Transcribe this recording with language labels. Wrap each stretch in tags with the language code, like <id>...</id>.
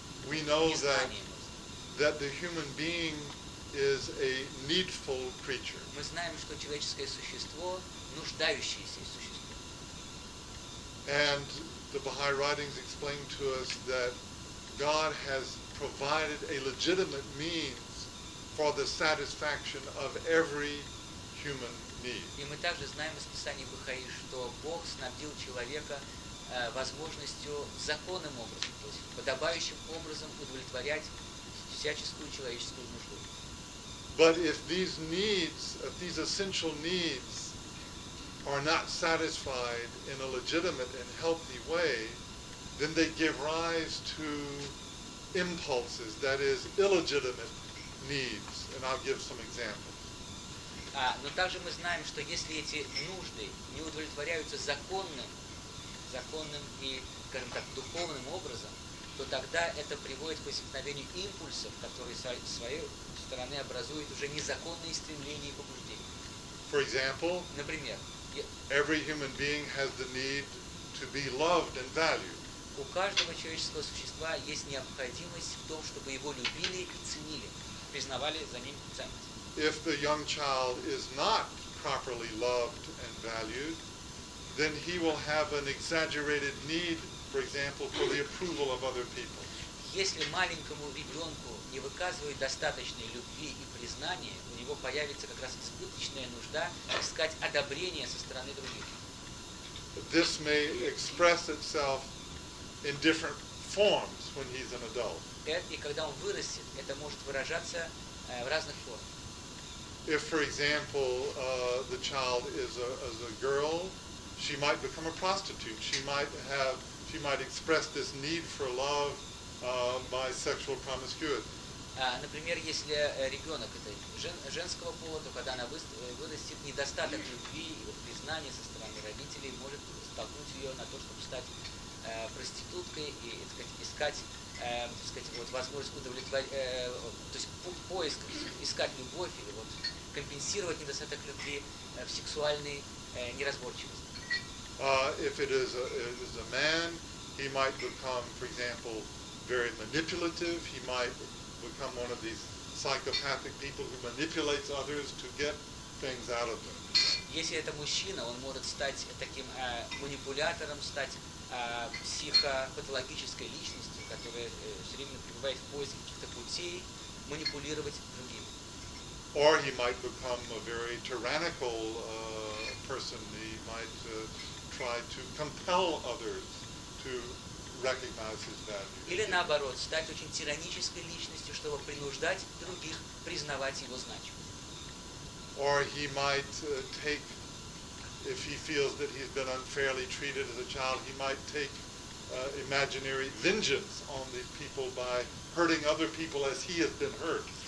<en>We know that the human being is a needful creature.</en> <ru>Мы знаем, что человеческое существо нуждающееся существо.</ru> <en>And the Baha'i writings explain to us that God has provided a legitimate means for the satisfaction of every human need.</en> <ru>И мы также знаем из Писания Бахаи, что Бог снабдил человека возможностью законным образом, то есть подобающим образом удовлетворять всяческую человеческую нужду.</ru> <en>But if these needs, if these essential needs are not satisfied in a legitimate and healthy way, then they give rise to impulses, that is, illegitimate needs. And I'll give some examples.</en> <ru>Но также мы знаем, что если эти нужды не удовлетворяются законным и, скажем так, духовным образом, то тогда это приводит к возникновению импульсов, которые, с своей стороны, образуют уже незаконные стремления и побуждения.</ru> <en>For example,</en> <ru>например,</ru> <en>every human being has the need to be loved and valued.</en> <ru>У каждого человеческого существа есть необходимость в том, чтобы его любили и ценили, признавали за ним ценность.</ru> <en>If the young child is not properly loved and valued, then he will have an exaggerated need, for example, for the approval of other people.</en> <ru>Если маленькому ребенку не выказывают достаточной любви и признания, у него появится как раз избыточная нужда искать одобрение со стороны других.</ru> <en>This may express itself in different forms when he's an adult.</en> <ru>и когда он вырастет, это может выражаться в разных формах.</ru> <en>If, for example, the child is a girl, she might become a prostitute. She might express this need for love by sexual promiscuity.</en> <ru>Например, если ребенок это женского пола, то когда она вырастет, недостаток любви и признания со стороны родителей может столкнуть ее на то, чтобы стать проституткой и искать вот возможность удовлетворить, то есть поиск, искать любовь или вот компенсировать недостаток любви в сексуальной неразборчивости.</ru> <en>If it is a man, he might become, for example, very manipulative. He might become one of these psychopathic people who manipulates others to get things out of them.</en> <ru>Если это мужчина, он может стать таким манипулятором, стать психопатологической личностью, которая все время пребывает в поиске каких-то путей манипулировать другим.</ru> <en>Or he might become a very tyrannical person. He might try to compel others to recognize his value.</en> <ru>Или наоборот, стать очень тиранической личностью, чтобы принуждать других признавать его значимость.</ru> <en>Or he might take, if he feels that he's been unfairly treated as a child, he might take imaginary vengeance on these people by hurting other people as he has been hurt.</en>